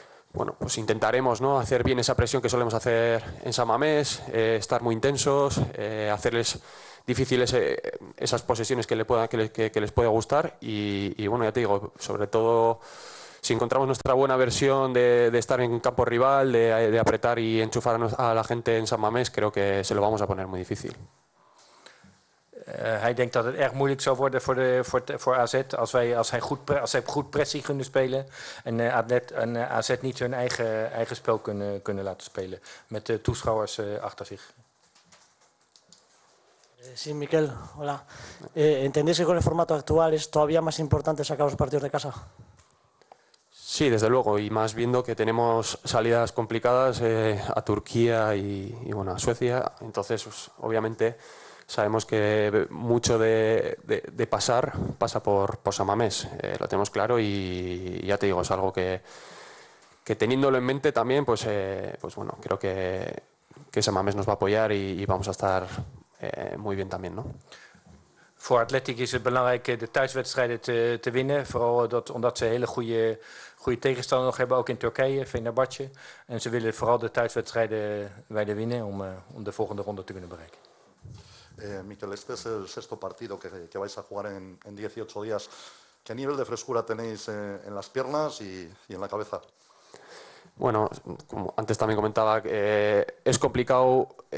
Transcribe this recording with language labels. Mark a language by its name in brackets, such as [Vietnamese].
[Spanish] Bueno, pues intentaremos, ¿no?, hacer bien esa presión que solemos hacer en San Mamés, estar muy intensos, hacerles difíciles esas posesiones que les pueda gustar y bueno, ya te digo, sobre todo si encontramos nuestra buena versión de estar en campo rival, de apretar y enchufar a la gente en San Mamés, creo que se lo vamos a poner muy difícil. [Dutch] Hij denkt dat het erg moeilijk zou worden voor AZ als zij goed pressie kunnen spelen en AZ niet hun eigen spel kunnen laten spelen met de toeschouwers achter zich. [Spanish] Sí, Miquel, hola. ¿Entendéis que con el formato actual es todavía más importante sacar los partidos de casa? Sí, desde luego, y más viendo que tenemos salidas complicadas a Turquía y bueno, a Suecia. Entonces, pues, obviamente, sabemos que mucho de pasar pasa por San Mamés, lo tenemos claro, y ya te digo, es algo que teniéndolo en mente también, pues, pues bueno, creo que San Mamés nos va a apoyar y vamos a estar muy bien también, ¿no? [Dutch] Voor Athletic is het belangrijk de thuiswedstrijden te winnen. Vooral omdat ze hele goede tegenstander nog hebben, ook in Turkije, Fenerbahçe. En ze willen vooral de thuiswedstrijden winnen om de volgende ronde te kunnen bereiken. [Spanish] Mikel, este es el sexto partido que vais a jugar en 18 días. ¿Qué nivel de frescura tenéis en las piernas y en la cabeza? Bueno, como antes también comentaba, es complicado.